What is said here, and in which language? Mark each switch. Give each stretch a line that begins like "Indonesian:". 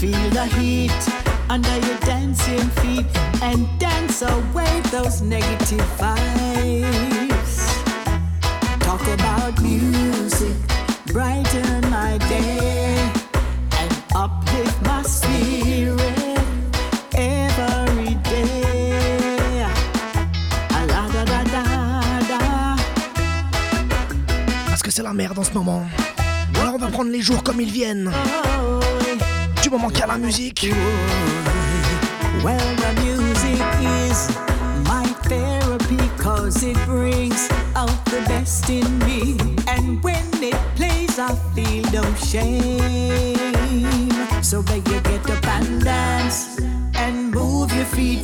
English: Feel the heat under your dancing feet and dance away those negative vibes. Talk about music, brighten my day, and uplift my spirit every day. La da da da da.
French: Parce que c'est la merde en ce moment. Alors on va prendre les jours comme ils viennent. Du moment qu'il y a la musique.
English: Well, the music is my therapy, 'cause it brings out the best in me, and when it plays, I feel no shame. So beg you, get up and dance and move your feet.